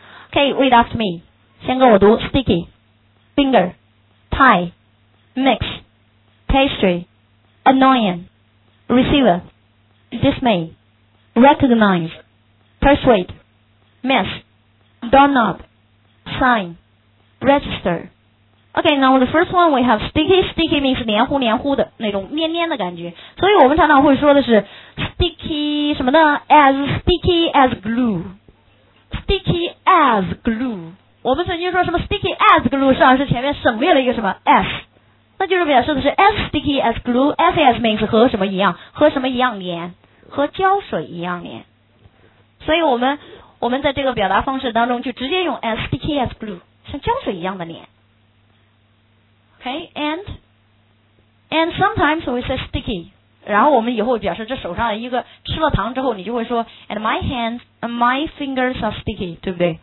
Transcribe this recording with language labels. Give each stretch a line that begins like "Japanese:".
English: OK, read after me.
Chinese: 先跟我读
English: Sticky Finger Tie Mix Pastry Annoying Receiver Dismay Recognize Persuade Mess Doorknob Signregister. OK, now the first one we have sticky. Sticky means
Chinese: 黏糊黏糊的那种黏黏的感觉，所以我们常常会说的是
English: sticky 什么呢， as sticky as glue, sticky as glue.
Chinese: 我们曾经说什么 sticky as glue 实际上是前面省略了一个什么 s, 那就是表示的是
English: as sticky as glue.
Chinese: As as means 和什么一样，和什么一样黏，和胶水一样黏。所以我们在这个表达方式当中就直接用
English: as sticky as glue,
Chinese: 像胶水一样的黏。
English: OK, and sometimes we say sticky,
Chinese: 然后我们以后表示这手上一个吃了糖之后，你就会说
English: and my hands and my fingers are sticky,
Chinese: 对不对？